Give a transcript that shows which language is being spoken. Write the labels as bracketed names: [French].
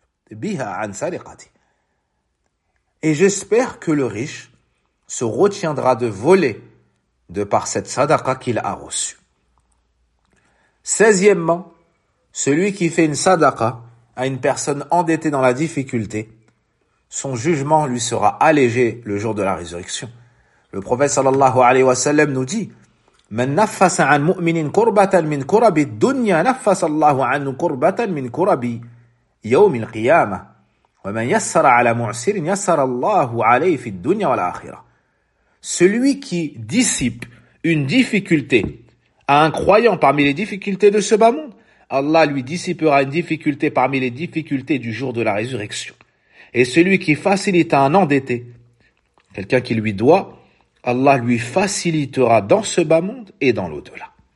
[French] Et j'espère que le riche se retiendra de voler de par cette sadaqa qu'il a reçue. Seizièmement, celui qui fait une sadaqa à une personne endettée dans la difficulté, son jugement lui sera allégé le jour de la résurrection. Le prophète sallallahu alayhi wa sallam nous dit, [Arabic] من نفس عن مؤمن كربة من كرب الدنيا نفس الله عنه كربة من كرب يوم القيامة ومن يسر على معسر يسر الله عليه في الدنيا والآخرة. [French] Celui qui dissipe une difficulté à un croyant parmi les difficultés de ce bas monde, Allah lui dissipera une difficulté parmi les difficultés du jour de la résurrection. Et celui qui facilite à un endetté, quelqu'un qui lui doit, Allah lui facilitera dans ce bas monde et dans l'au-delà.